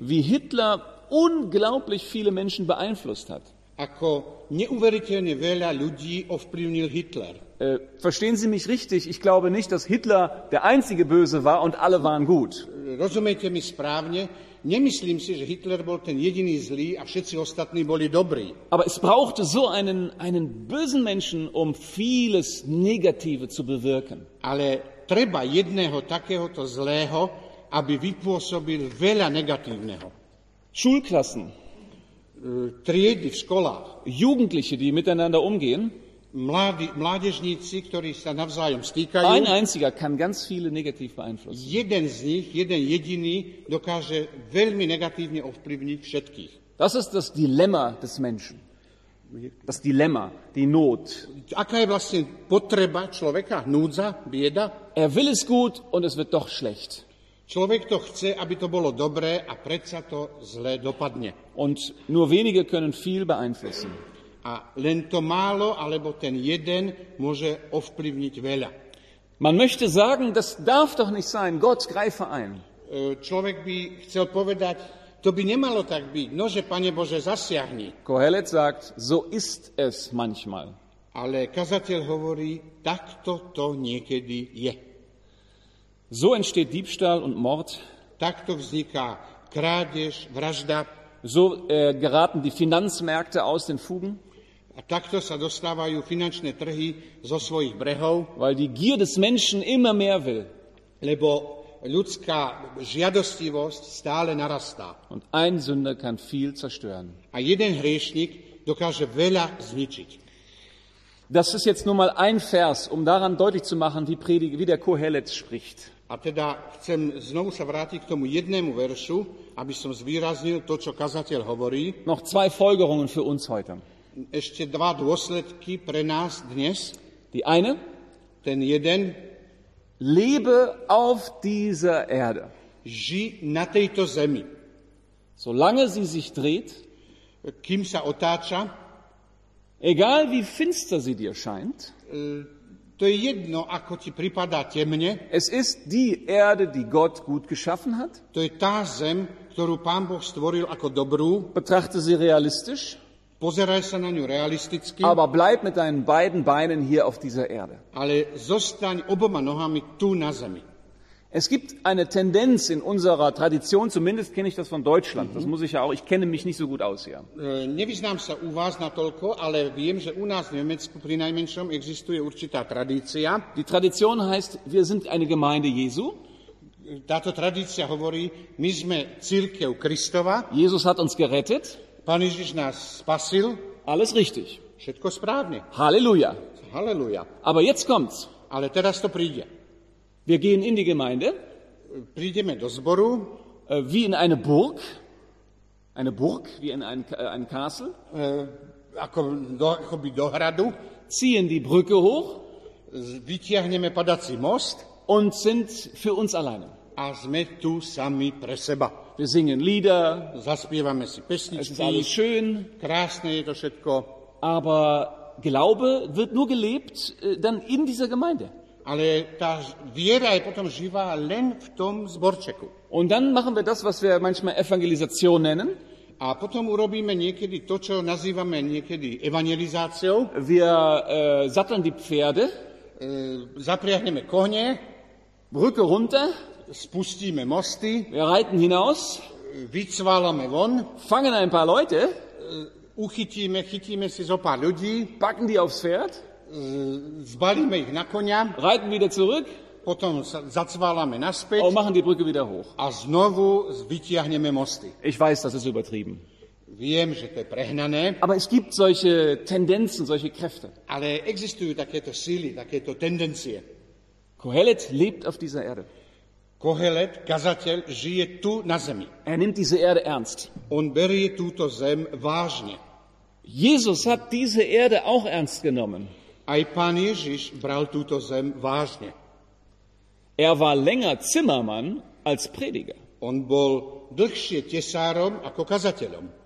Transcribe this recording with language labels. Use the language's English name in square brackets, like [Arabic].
[German] Wie Hitler unglaublich viele Menschen beeinflusst hat. [Slovak] Ako neuveriteľne veľa ľudí ovplyvnil Hitler. [German] Verstehen Sie mich richtig, ich glaube nicht, dass Hitler der einzige Böse war und alle waren gut. [Slovak] Rozumiete mi správne, nemyslím si, že Hitler bol ten jediný zlý a všetci ostatní boli dobrí. [German] Aber es brauchte so einen bösen Menschen, um vieles Negative zu bewirken. [Slovak] Ale treba jedného takéhoto zlého, aby vypôsobil veľa negatívneho. [German] Schulklassen. [Slovak] Triedy v školách. [German] Jugendliche, die miteinander umgehen. [Slovak] Mládežníci, ktorí sa navzájom stýkajú. [German] Ein einziger kann ganz viele negativ beeinflussen. [Slovak] Jeden z nich, jeden jediný, dokáže veľmi negatívne ovplyvniť všetkých. [German] Das ist das Dilemma des Menschen. Das Dilemma, die Not. [Slovak] Aká je vlastne potreba človeka? Núdza, bieda? [German] Er will es gut und es wird doch schlecht. [Slovak] Človek to chce, aby to bolo dobré a predsa to zle dopadne. [German] Und nur wenige können viel beeinflussen. [Slovak] A len to málo, alebo ten jeden, môže ovplyvniť veľa. [German] Man möchte sagen, das darf doch nicht sein, Gott greife ein. [Slovak] Človek by chcel povedať, to by nemalo tak byť, nože, Pane Bože, zasiahni. [German] Kohelet sagt, so ist es manchmal. [Slovak] Ale kazateľ hovorí, takto to niekedy je. [German] So entsteht Diebstahl und Mord. [Slovak] Takto vzniká krádež, vražda. [German] So geraten die Finanzmärkte aus den Fugen. [Slovak] A takto sa dostávajú finančné trhy zo svojich brehov. [German] Weil die Gier des Menschen immer mehr will. [Slovak] Lebo ľudská žiadostivosť stále narastá. [German] Und ein Sünder kann viel zerstören. [Slovak] A jeden hriešnik dokáže veľa zničiť. [German] Das ist jetzt nur mal ein Vers, um daran deutlich zu machen, wie der Kohelet spricht. [Slovak] A teda chcem znovu sa vrátiť k tomu jednému veršu, aby som zvýraznil to, čo kazateľ hovorí. [German] Noch zwei Folgerungen für uns heute. [Slovak] Ešte dva dôsledky pre nás dnes. [German] Die eine. [Slovak] Ten jeden. [German] Lebe auf dieser Erde. [Slovak] Žij na tejto zemi. [German] Solange sie sich dreht. [Slovak] Kým sa otáča. [German] Egal wie finster sie dir scheint, [Slovak] to je jedno, ako ti pripadá temne. [German] Es ist die Erde, die Gott gut geschaffen hat. [Slovak] To je tá zem, ktorú Pán Boh stvoril ako dobrú. [German] Betrachte sie realistisch. [Slovak] Pozeraj sa na ňu realisticky. [German] Aber bleib mit deinen beiden Beinen hier auf dieser Erde. [Slovak] Ale zostaň oboma nohami tu na zemi. [German] Es gibt eine Tendenz in unserer Tradition, zumindest kenne ich das von Deutschland. Das muss ich ja auch, ich kenne mich nicht so gut aus hier. [Slovak] Nevyznám sa u vás natoľko, ale viem, že u nás v Nemecku pri najmenšom existuje určitá tradícia. [German] Die Tradition heißt, wir sind eine Gemeinde Jesu. [Slovak] Táto tradícia hovorí, my sme cirkev Kristova. [German] Jesus hat uns gerettet. [Slovak] Pán Ježiš nás spasil. [German] Alles richtig. [Slovak] Všetko správne. [German] Halleluja. [Slovak] Halleluja. [German] Aber jetzt kommt's. [Slovak] Ale teraz to príde. [German] Wir gehen in die Gemeinde. [Slovak] Prídeme do zboru. [German] Wie in eine Burg. Eine Burg, wie in ein Castle. [Slovak] Ako by do hradu. [German] Ziehen die Brücke hoch. [Slovak] Vytiahneme padací most. [German] Und sind für uns alleine. [Slovak] A sme tu sami pre seba. [German] Wir singen Lieder, [Slovak] zaspievame si pesničky. [German] Es ist alles schön, [Slovak] krásne je to všetko. [German] Aber Glaube wird nur gelebt dann in dieser Gemeinde. [Slovak] Ale tá viera je potom živá len v tom zborčeku. [German] Und dann machen wir das, was wir manchmal Evangelisation nennen. [Slovak] A potom urobíme niekedy to, čo nazývame niekedy evangelizáciou. [German] Wir satteln die Pferde. [Slovak] Zapriahneme kohne. [German] Brücke runter. [Slovak] Spustíme mosty. [German] Wir reiten hinaus. [Slovak] Vycválame von. [German] Fangen ein paar Leute. [Slovak] Chytíme si zo pár ľudí. [German] Packen die aufs Pferd. [Slovak] Zbalíme ich na konia. [German] Reiten wieder zurück. [Slovak] Potom zacválame naspäť. [German] A machen die Brücke wieder hoch. [Slovak] A znovu vytiahneme mosty. [German] Ich weiß, das ist übertrieben. [Slovak] Viem, že to je prehnané. [German] Aber es gibt solche Tendenzen, solche Kräfte. [Slovak] Ale existujú takéto síly, takéto tendencie. [German] Kohelet lebt auf dieser Erde. [Slovak] Kohelet, kazateľ, žije tu na zemi. [German] Er nimmt diese Erde ernst. [Slovak] On berie túto zem vážne. [German] Jesus hat diese Erde auch ernst genommen. [Slovak] Aj Pán Ježiš bral túto zem vážne. [German] Er war länger Zimmermann als Prediger. [Slovak] On bol dlhšie tesárom ako kazateľom.